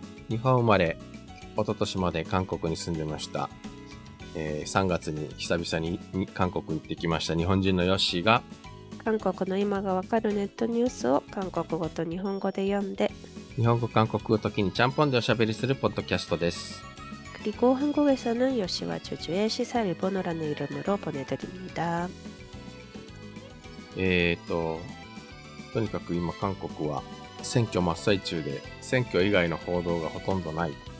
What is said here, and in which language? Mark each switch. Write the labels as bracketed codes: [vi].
[ja] 日本生まれ一昨年まで韓国に住んでました、3月に久々に韓国行ってきました日本人のヨッシーが、韓国の今がわかるネットニュースを韓国語と日本語で読んで、日本語韓国語時にちゃんぽんでおしゃべりするポッドキャストです。 [ko] 그리고한국에서는요시와주주의시사일본어라는이름으로보내드립니다 [ja] とにかく今韓国は選挙真っ最中で、選挙以外の報道がほとんどない。